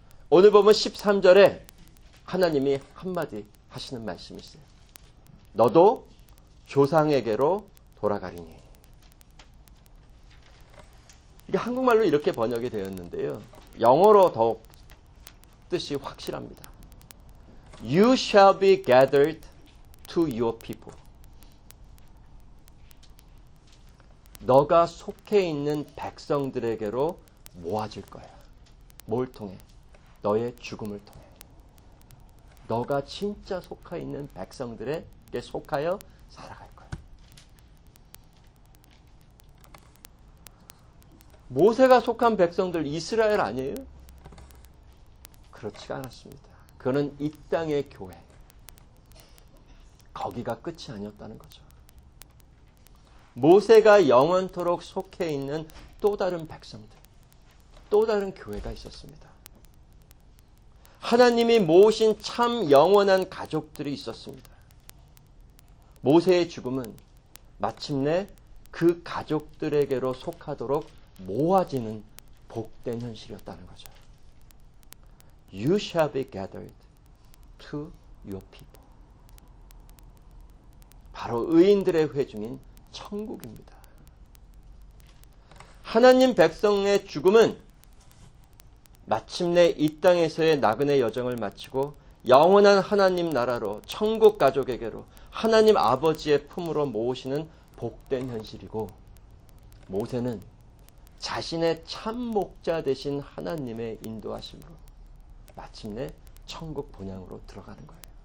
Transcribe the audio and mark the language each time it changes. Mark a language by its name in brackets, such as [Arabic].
[Korean] 오늘 보면 13절에 하나님이 한마디 하시는 말씀이 있어요. 너도 조상에게로 돌아가리니. 이게 한국말로 이렇게 번역이 되었는데요. 영어로 더욱 뜻이 확실합니다. [English] You shall be gathered to your people. [Korean] 너가 속해 있는 백성들에게로 모아질 거야. 뭘 통해? 너의 죽음을 통해. 너가 진짜 속해 있는 백성들에게 속하여 살아갈 거야. 모세가 속한 백성들 이스라엘 아니에요? 그렇지가 않았습니다. 그는 이 땅의 교회. 거기가 끝이 아니었다는 거죠. 모세가 영원토록 속해 있는 또 다른 백성들, 또 다른 교회가 있었습니다. 하나님이 모으신 참 영원한 가족들이 있었습니다. 모세의 죽음은 마침내 그 가족들에게로 속하도록 모아지는 복된 현실이었다는 거죠. [English] You shall be gathered to your people. [Korean] 바로 의인들의 회중인 천국입니다. 하나님 백성의 죽음은 마침내 이 땅에서의 나그네 여정을 마치고 영원한 하나님 나라로 천국 가족에게로 하나님 아버지의 품으로 모으시는 복된 현실이고 모세는 자신의 참 목자 되신 하나님의 인도하심으로 마침내 천국 본향으로 들어가는 거예요.